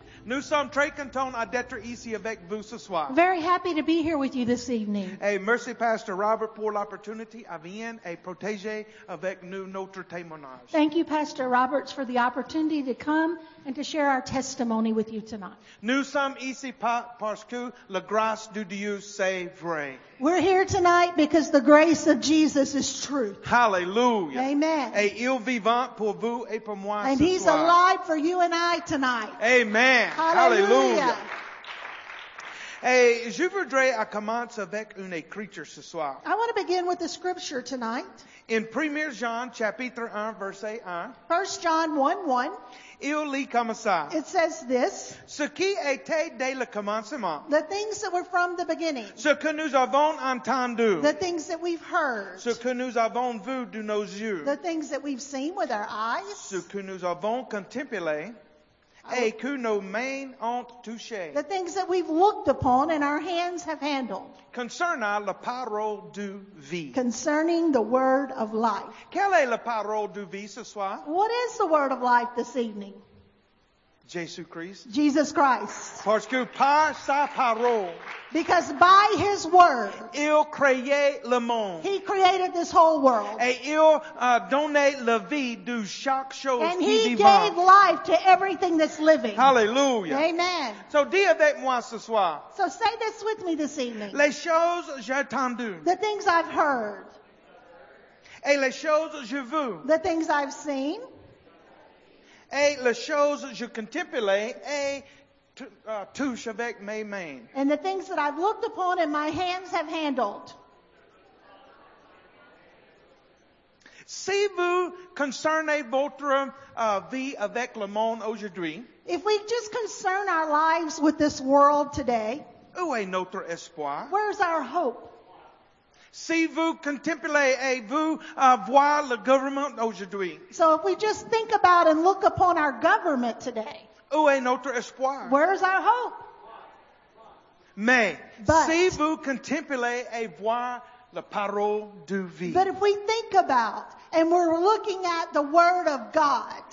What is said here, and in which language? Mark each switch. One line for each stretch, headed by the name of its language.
French: Nous sommes très contents à d'être ici avec vous ce soir.
English: Very happy to be here with you this evening.
French: Hey, merci, Pastor Robert, pour l'opportunité à venir et protéger avec nous notre témoignage.
English: Thank you, Pastor Roberts, for the opportunity to come and to share our testimony with you tonight.
French: Nous sommes ici parce que la grâce de Dieu c'est vrai.
English: We're here tonight because the grace of Jesus is truth. Hallelujah. Amen.
French: Et il vivant pour vous et pour moi ce soir.
English: And He's alive for you and I tonight. Amen. Hallelujah.
French: Hey, je voudrais à commencer avec une écriture ce soir.
English: I want to begin with the scripture tonight. In 1 John chapter 1, verse 1. 1 John 1, 1.
French: Il lit comme ça.
English: It says this.
French: Ce qui était dès le commencement.
English: The things that were from the beginning.
French: Ce que nous avons entendu.
English: The things that we've heard.
French: Ce que nous avons vu de nos yeux.
English: The things that we've seen with our eyes.
French: Ce que nous avons contemplé. Et que nos mains ont touché.
English: The things that we've looked upon and our hands have handled.
French: Concernant la parole de vie.
English: Concerning the word of life.
French: Quelle est la parole de vie ce soir?
English: What is the word of life this evening?
French: Jésus Christ.
English: Jesus Christ.
French: Parce que par sa parole.
English: Because by His word.
French: Il créé le monde.
English: He created this whole world.
French: Et il donné la vie de chaque chose.
English: And He gave life to everything that's living. Hallelujah. Amen.
French: So dis avec moi ce soir.
English: So say this with me this evening.
French: Les choses j'ai entendues.
English: The things I've heard.
French: Et les choses j'ai vu.
English: The things I've seen.
French: Et les choses je contemple et touche avec mes mains.
English: And the things that I've looked upon and my hands have handled.
French: Si vous concernez votre vie avec le monde aujourd'hui.
English: If we just concern our lives with this world today.
French: Où est notre espoir?
English: Where's our hope?
French: Si vous contemplez et vous voir le gouvernement aujourd'hui.
English: So if we just think about and look upon our government today.
French: Où est notre espoir?
English: Where's our hope?
French: Mais,
English: but,
French: si vous contemplez et voir la parole de vie.
English: But if we think about and we're looking at the word of God.